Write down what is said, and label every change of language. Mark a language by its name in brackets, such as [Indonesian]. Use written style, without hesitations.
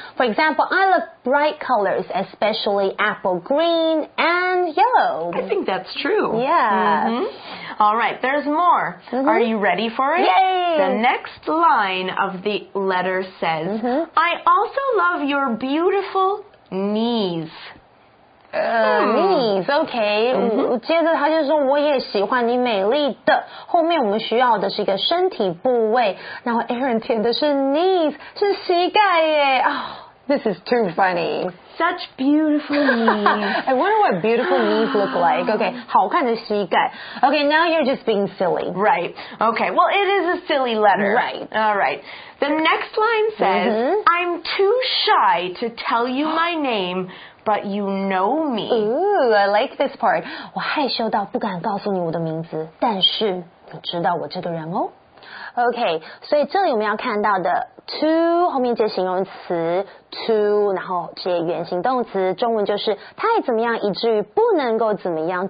[English] For example, I love bright colors, especially apple green and yellow. I think that's true. Yeah. All right, there's more. Are you ready for it? Yay! The next line of the letter says, I also love your beautiful knees. Knees, okay. [Chinese] 接着他就说我也喜欢你美丽的。后面我们需要的是一个身体部位。然后 Aaron 填的是 knees, 是膝盖耶。 [English] Oh, this is too funny. Such beautiful knees. I wonder what beautiful knees look like. Okay, [Chinese] 好看的膝盖。 [English] Okay, now you're just being silly. Right. Okay, well, it is a silly letter. Right. All right. The next line says, I'm too shy to tell you my name, but you know me. Ooh, I like this part. [Chinese] 我害羞到不敢告诉你我的名字，但是你知道我这个人哦。 Okay, 所以这里我们要看到的 to 后面接形容词 to 然后接原形动词，中文就是太怎么样以至于不能够怎么样。